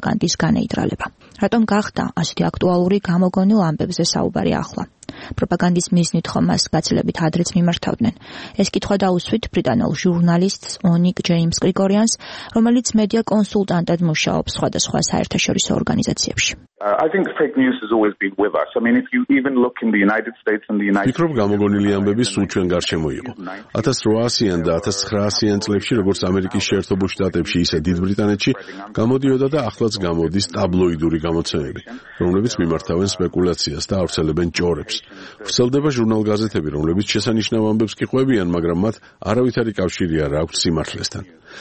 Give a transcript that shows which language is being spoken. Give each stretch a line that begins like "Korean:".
Georgian: განდის განეიტრალება. რატომ გახდა ასეთი აქტუალური გამოგონილ ამბებზე საუბარი ახლა? პროპაგანდის მიზნით ხომ მას გაცილებით ადრეც მიმართავდნენ? ეს კითხვა დაუსვით ბრიტანელ ჟურნალისტს ონიკ ჯეიმს გრიგორიანს, რომელიც მედია კონსულტანტად მუშაობს სხვადასხვა საერთაშორისო ორგანიზაციებში.
English: I think fake news has always been with us. I mean, if you even look in the United States and the United
Georgian: Kingdom, ფიქრობ გამოგონილი ამბები სულ ჩვენ გარშემო იყო. 1800-იან და 1900-იან წლებში, როგორც ამერიკის შეერთებულ შტატებში, ისე დიდ ბრიტანეთში, გამოდიოდა და ახლაც გამოდის ტაბლოიდური გამოცემები, რომლებიც მიმართავენ სპეკულაციას და ავრცელებენ ჯორებს. ვრცელდება ჟურნალ-გაზეთები, რომლებიც შესანიშნავ ამბებს კი ყვებიან, მაგრამ მათ არავითარი კავშირი არ აქვს სიმართლესთან.